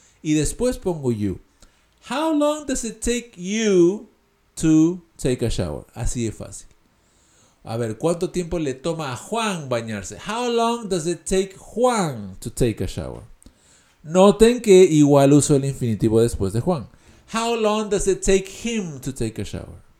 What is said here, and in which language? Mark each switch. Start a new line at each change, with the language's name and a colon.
Spanish: Y después pongo
English: you. How long does it take you to take a shower.
Spanish: Así de fácil. A ver, ¿cuánto tiempo le toma a Juan bañarse?
English: How long does it take Juan to take a shower?
Spanish: Noten que igual uso el infinitivo después de Juan.
English: How long does it take him to take a shower?